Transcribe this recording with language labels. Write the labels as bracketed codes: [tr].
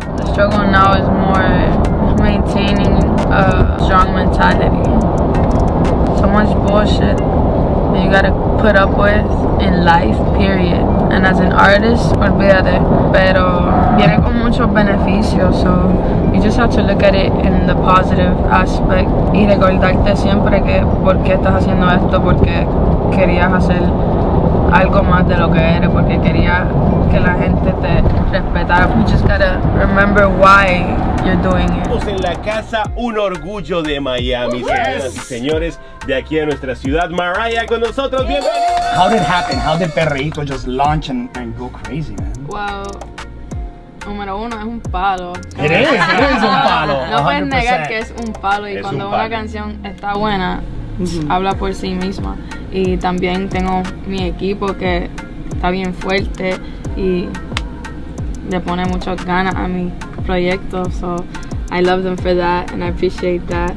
[en] The struggle now is more maintaining a strong mentality. So much bullshit that you gotta put up with in life, period. And as an artist, [es] olvídate. Pero viene con muchos beneficios, [en] so you just have to look at it in the positive aspect. [es] Y recordarte siempre que por qué estás haciendo esto, porque querías hacer algo más de lo que eres, porque querías que la gente te respetara. [en] You just gotta remember why you're doing it. [es] Estamos en la casa, un orgullo de Miami, yes. Señoras y señores, de aquí a nuestra ciudad, Mariah con nosotros. Bienvenidos. [en] How did it happen? How did Perreito just launch and go crazy, man? [es] Wow. Número uno, es un palo. [en] It is [es] un palo. No puedes negar que es un palo. Y es cuando una canción está buena, habla por sí misma. Y también tengo mi equipo que está bien fuerte y le pone mucho ganas a mi proyecto. [en] So I love them for that and I appreciate that.